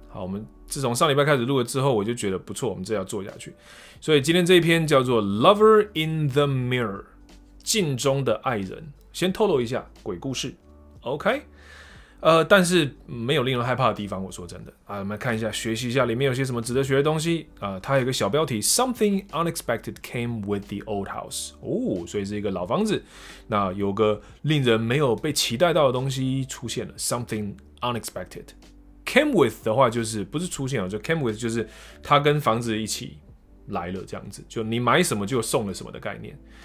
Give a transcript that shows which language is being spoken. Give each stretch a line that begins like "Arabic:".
Chinese: 好，我们自从上礼拜开始录了之后，我就觉得不错，我们这要做下去。所以今天这一篇叫做
English: 《Lover in the Mirror》，
Chinese: 镜中的爱人。先透露一下鬼故事 ，OK？ 但是没有令人害怕的地方。我说真的啊，我们看一下，学习一下里面有些什么值得学的东西啊。它有一个小标题 ：
English: Something unexpected came with the old house。
Chinese: 哦，所以是一个老房子，那有个令人没有被期待到的东西出现了。
English: Something unexpected came with
Chinese: 的话，就是不是出现了，就
English: came with
Chinese: 就是它跟房子一起来了，这样子。就你买什么就送了什么的概念。